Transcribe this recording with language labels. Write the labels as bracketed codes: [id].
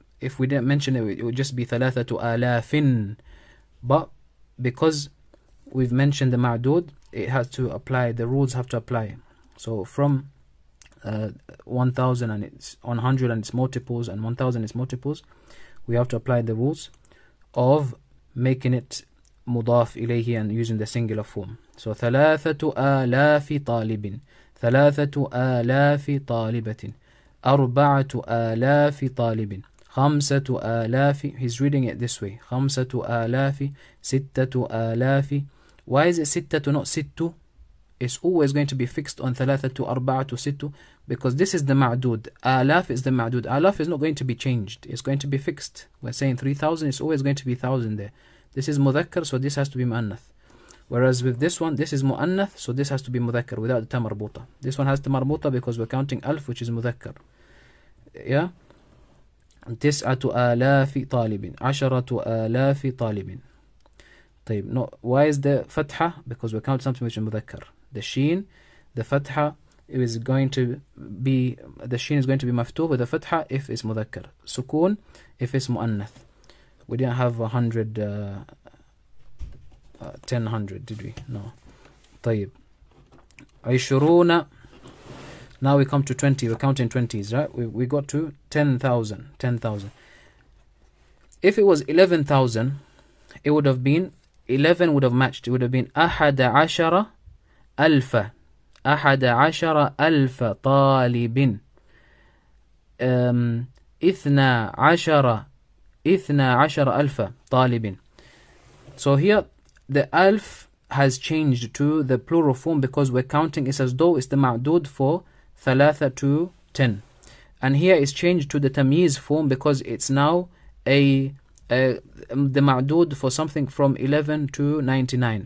[en] If we didn't mention it, it would just be ثَلَاثَةُ آلَافٍ. But because we've mentioned the معدود, it has to apply, the rules have to apply. So from 1,000 and it's 100 and it's multiples, and 1,000 is multiples, we have to apply the rules of making it مضاف إليه and using the singular form. [ar] So ثلاثة آلاف طالب, ثلاثة آلاف طالبة, أربعة آلاف طالب, خمسة آلاف. [en] He's reading it this way. خمسة آلاف, ستة آلاف. Why is it ستة not ست? It's always going to be fixed on ثلاثة أربعة ست, because this is the معدود. آلاف is the معدود. آلاف is not going to be changed. It's going to be fixed. We're saying 3,000. It's always going to be 1,000 there. This is مذكر, so this has to be مؤنث. Whereas with this one, this is مؤنث, so this has to be مذكر without the تمربوطة. This one has the مربوطة because we're counting ألف, which is مذكر. Yeah. [ar] تسعة آلاف طالب, عشرة آلاف طالب. [en] طيب, no, why is the فتحة? Because we're counting something which is مذكر. The شين, the فتحة is going to be, the شين is going to be مفتوح with the فتحة if it's مذكر. سكون if it's مؤنث. We didn't have 100, 1,000, did we? No. طيب. عشرون. Now we come to 20. We're counting 20s, right? We got to 10,000. 10,000. If it was 11,000, it would have been, 11 would have matched. It would have been أحد عشر ألف. [ar] أحد عشر ألف طالب. إثنى عشر إثنى عشر ألف طالب. [en] So here the ألف has changed to the plural form because we're counting it as though it's the معدود for ثلاثة to 10. And here it's changed to the تمييز form because it's now the معدود for something from 11 to 99.